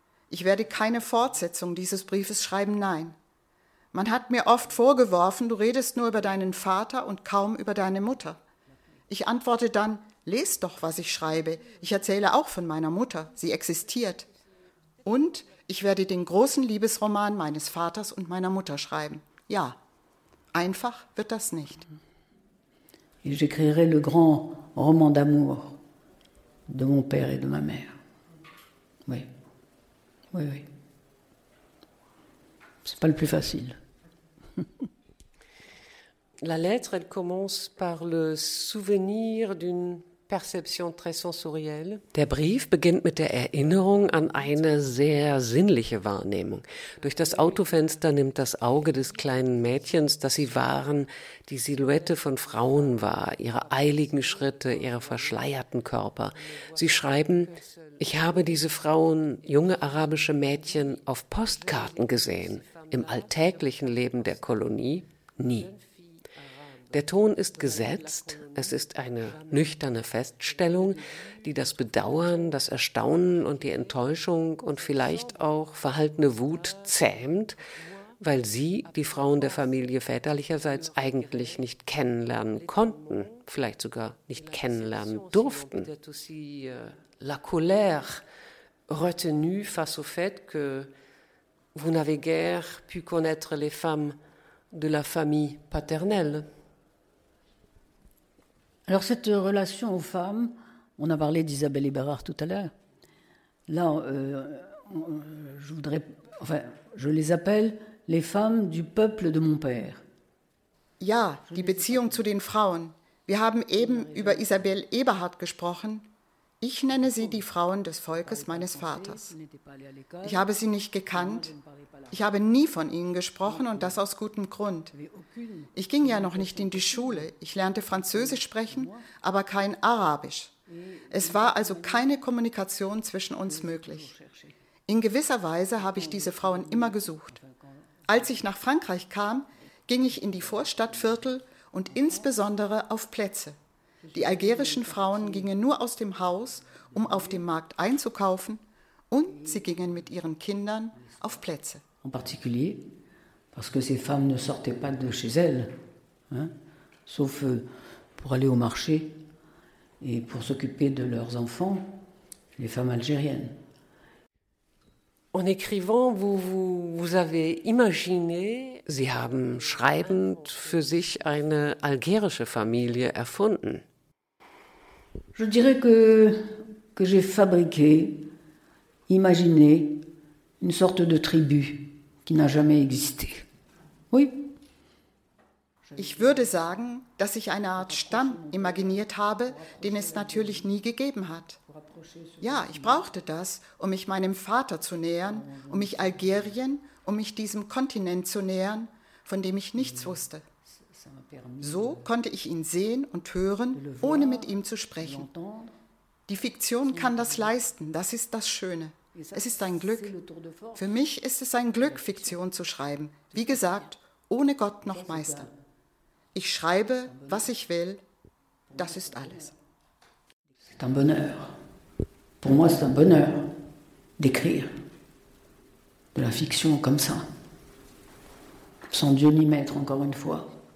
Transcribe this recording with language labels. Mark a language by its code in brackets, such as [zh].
[de] Ich werde keine Fortsetzung dieses Briefes schreiben, nein. Man hat mir oft vorgeworfen, du redest nur über deinen Vater und kaum über deine Mutter. Ich antworte dann, lest doch, was ich schreibe. Ich erzähle auch von meiner Mutter. Sie existiert. Und ich werde den großen Liebesroman meines Vaters und meiner Mutter schreiben. Ja, einfach wird das nicht. [fr] Et j'écrirai le grand roman d'amour de mon père et de ma mère. Oui, oui, oui. C'est pas le plus facile. La lettre, elle commence par le souvenir d'une perception très sensorielle. [de] Der Brief beginnt mit der Erinnerung an eine sehr sinnliche Wahrnehmung. Durch das Autofenster nimmt das Auge des kleinen Mädchens, das sie waren, die Silhouette von Frauen wahr, ihre eiligen Schritte, ihre verschleierten Körper. Sie schreiben, ich habe diese Frauen, junge arabische Mädchen, auf Postkarten gesehen, im alltäglichen Leben der Kolonie, nie. Der Ton ist gesetzt, es ist eine nüchterne Feststellung, die das Bedauern, das Erstaunen und die Enttäuschung und vielleicht auch verhaltene Wut zähmt, weil sie die Frauen der Familie väterlicherseits eigentlich nicht kennenlernen konnten, vielleicht sogar nicht kennenlernen durften. [fr] La colère retenue face au fait que vous n'avez guère pu connaître les femmes de la famille paternelle. Alors cette relation aux femmes, on a parlé d'Isabelle Eberhard tout à l'heure. Là, je les appelle les femmes du peuple de mon père. [de] Ja, die Beziehung zu den Frauen. Wir haben eben über Isabelle Eberhard gesprochen. Ich nenne sie die Frauen des Volkes meines Vaters. Ich habe sie nicht gekannt. Ich habe nie von ihnen gesprochen und das aus gutem Grund. Ich ging ja noch nicht in die Schule. Ich lernte Französisch sprechen, aber kein Arabisch. Es war also keine Kommunikation zwischen uns möglich. In gewisser Weise habe ich diese Frauen immer gesucht. Als ich nach Frankreich kam, ging ich in die Vorstadtviertel und insbesondere auf Plätze. Die algerischen Frauen gingen nur aus dem Haus, um auf dem Markt einzukaufen, und sie gingen mit ihren Kindern auf Plätze. [fr] En particulier, parce que ces femmes ne sortaient pas de chez elles, hein, sauf pour aller au marché et pour s'occuper de leurs enfants, les femmes algériennes. En écrivant, vous avez imaginé. [de] Sie haben schreibend für sich eine algerische Familie erfunden. [fr] Je dirais que j'ai fabriqué, imaginé une sorte de tribu qui n'a jamais existé. Oui. [de] Ich würde sagen, dass ich eine Art Stamm imaginiert habe, den es natürlich nie gegeben hat. Ja, ich brauchte das, um mich meinem Vater zu nähern, um mich Algerien, um mich diesem Kontinent zu nähern, von dem ich nichts wusste. So konnte ich ihn sehen und hören, ohne mit ihm zu sprechen. Die Fiktion kann das leisten, das ist das Schöne. Es ist ein Glück. Für mich ist es ein Glück, Fiktion zu schreiben. Wie gesagt, ohne Gott noch Meister. Ich schreibe, was ich will, das ist alles. [fr] C'est un bonheur. Pour moi, c'est un bonheur d'écrire de la fiction comme ça. Sans Dieu ni maître, encore une fois.